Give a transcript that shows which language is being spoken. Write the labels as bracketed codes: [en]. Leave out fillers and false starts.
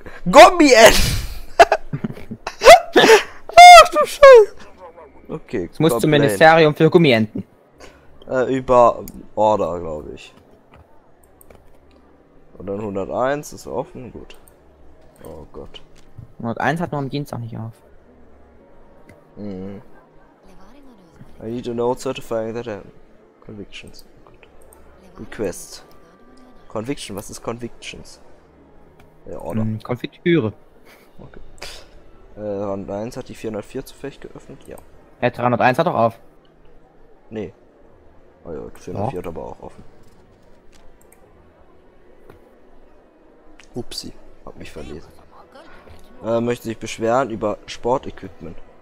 [de] Gummienten! Ach du Scheiße! Okay, es muss zum Ministerium für Gummienten. Über Order, glaube ich. Und dann 101 ist offen, gut. Oh Gott. 101 hat man am Dienstag nicht auf. [en] I need a note certifying that convictions. [de] Gut. Request. Conviction, was ist convictions? Order. Konfitüre. Okay. 101 hat die 404 zufällig geöffnet? Ja. Hey, 301 hat doch auf. Nee. Oh ja, 404 hat aber auch offen. Upsi, hab mich verlesen. Möchte sich beschweren über Sportequipment.